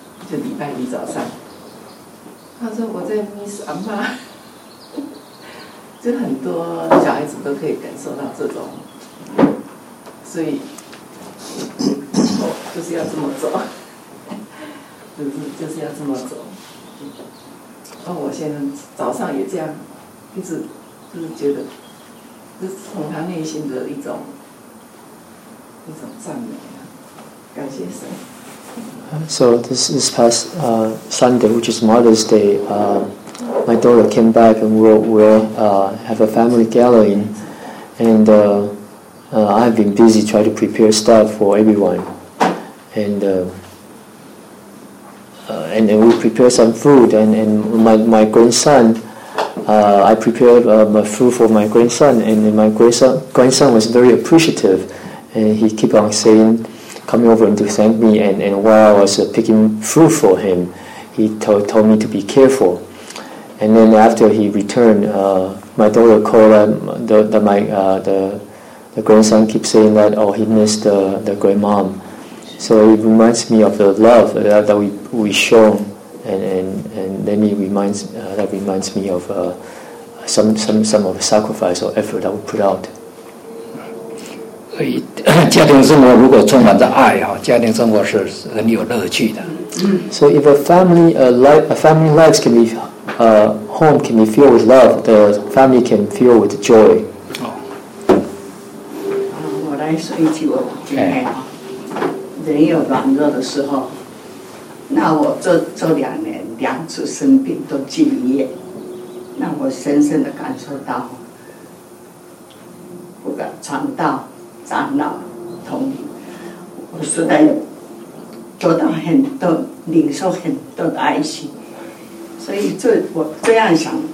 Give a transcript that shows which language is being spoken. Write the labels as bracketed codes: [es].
[zh] 就礼拜一早上，他说我在 miss 阿妈，就很多小孩子都可以感受到这种，所以我就是要这么走，就是要这么走。然后我现在早上也这样，一直就是觉得，就是从他内心的一种赞美啊，感谢神。 [en] So this past Sunday, which is Mother's Day, my daughter came back and we'll have a family gathering, and I've been busy trying to prepare stuff for everyone, and then we prepare some food, and my grandson, I prepared my food for my grandson, and then my grandson was very appreciative, and he kept on saying, coming over and to thank me, and while I was picking fruit for him, he told me to be careful. And then after he returned, my daughter called the grandson keeps saying that, oh, he missed the grandmom. So it reminds me of the love that we shown, and then it reminds that reminds me of some of the sacrifice or effort that we put out. [zh] 所以家庭生活如果充满着爱，家庭生活是很有乐趣的。 [en] So if a family life can be home can be filled with love, the family can fill with joy. [zh] 我来说一句，我今天人有老弱的时候，那我这两年两次生病都进医院，那我深深的感受到，不敢传道长老同龄，我实在得到很多，领受很多的爱心，所以这我这样想，